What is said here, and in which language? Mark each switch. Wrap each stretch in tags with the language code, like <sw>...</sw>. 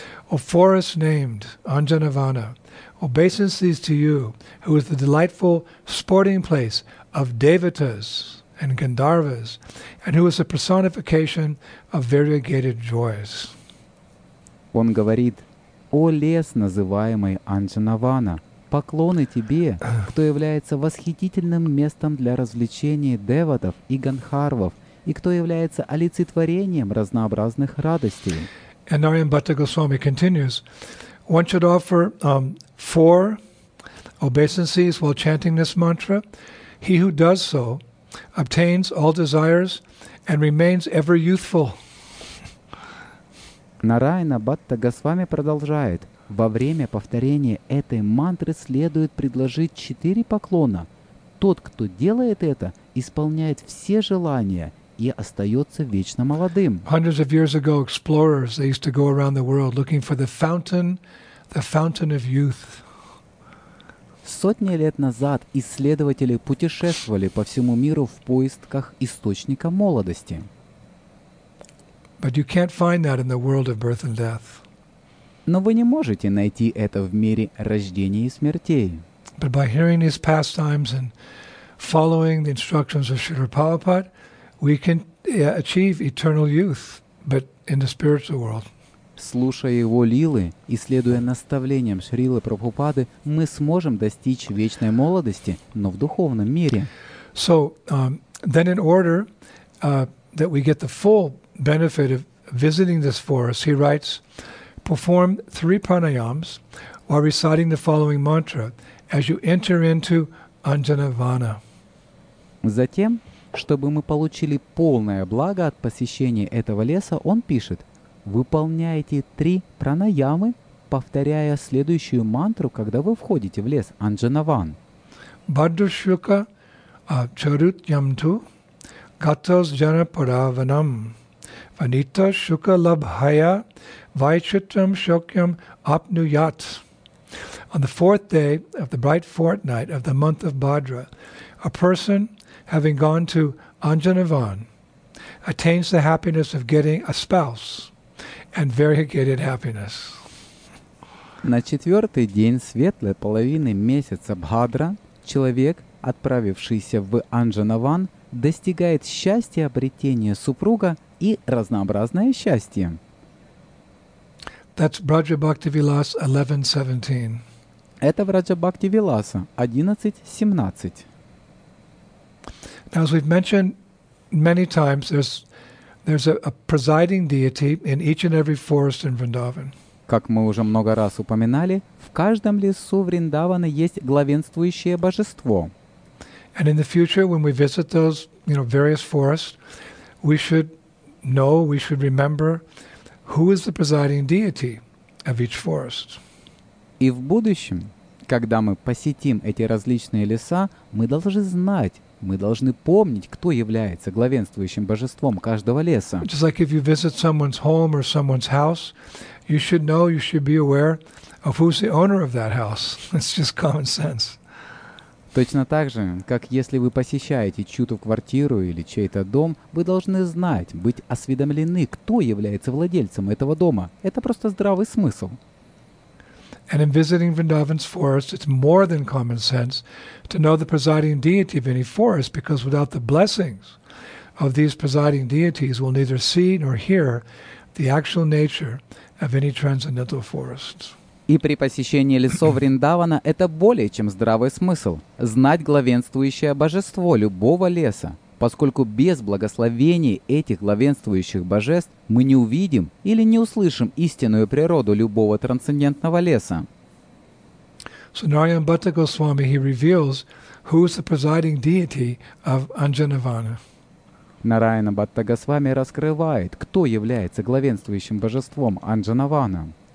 <en>O forest named Anjanavana, obeisances to you, who is the delightful sporting place of devatas and gandharvas, and who is the personification of variegated joys.</en> <ru>Он говорит, о лес, называемый Анджанавана, поклоны тебе, кто является восхитительным местом для развлечений деватов и гандхарвов, и кто является олицетворением разнообразных радостей.</ru> <en>And Narayan Bhatta Goswami continues, one should offer four obeisances while chanting this mantra. He who does so obtains all desires and remains ever youthful.</en> <ru>Нараяна Бхатта Госвами продолжает. Во время повторения этой мантры следует предложить четыре поклона. Тот, кто делает это, исполняет все желания и остается вечно молодым.</ru> <en>Hundreds of years ago, explorers, they used to go around the world looking for the fountain of youth.</en> <ru>Сотни лет назад исследователи путешествовали по всему миру в поисках источника молодости.</ru> <en>But you can't find that in the world of birth and death.</en> <ru>Но вы не можете найти это в мире рождения и смертей.</ru> <en>But by hearing these pastimes and following the instructions of Srila Prabhupada, we can achieve eternal youth, but in the spiritual world.</en> <ru>Слушая его лилы и следуя наставлениям Шрилы Прабхупады, мы сможем достичь вечной молодости, но в духовном мире.</ru> <en>So, then in order that we get the full benefit of visiting this forest, he writes, perform three pranayams while reciting the following mantra as you enter into Anjanavana.</en> <ru>Затем, чтобы мы получили полное благо от посещения этого леса, он пишет, выполняйте три пранаямы, повторяя следующую мантру, когда вы входите в лес Анджанаван.</ru> <sa>Бхадрашука чарут ямту гатас джана параванам ванита шука лабхая вайчатрам шокьям апнуят.</sa> <en>On the fourth day of the bright fortnight of the month of Bhadra, a person, having gone to Anjanavan, attains the happiness of getting a spouse and variegated happiness.</en> <ru>На четвертый день светлой половины месяца Бхадра человек, отправившийся в Анджанаван, достигает счастья обретения супруга и разнообразное счастье.</ru> <en>That's Vraja Bhakti Vilas 11:17.</en> <ru>Это Vraja Bhakti Vilasa 11:17.</ru> <en>Now, as we've mentioned many times, there's a presiding deity in each and every forest in Vrindavan.</en> <ru>Как мы уже много раз упоминали, в каждом лесу Вриндавана есть главенствующее божество.</ru> <en>And in the future, when we visit those, you know, various forests, we should know, we should remember who is the presiding deity of each forest.</en> <ru>И в будущем, когда мы посетим эти различные леса, мы должны знать, мы должны помнить, кто является главенствующим божеством каждого леса.</ru> <en>Just like if you visit someone's home or someone's house, you should know, you should be aware of who's the owner of that house. It's just common sense.</en> <ru>Точно так же, как если вы посещаете чью-то квартиру или чей-то дом, вы должны знать, быть осведомлены, кто является владельцем этого дома. Это просто здравый смысл.</ru> <en>And in visiting Vrindavan's forest, it's more than common sense to know the presiding deity of any forest, because without the blessings of these presiding deities, we'll neither see nor hear the actual nature of any transcendental forest.</en> <ru>И при посещении лесов Вриндавана это более чем здравый смысл – знать главенствующее божество любого леса, поскольку без благословений этих главенствующих божеств мы не увидим или не услышим истинную природу любого трансцендентного леса.</ru> <en>So Narayan Bhatta Goswami, he reveals who is the presiding deity of Anjanavana.</en> <ru>Нараяна Бхатта Госвами раскрывает, кто является главенствующим божеством Анджанавана.</ru>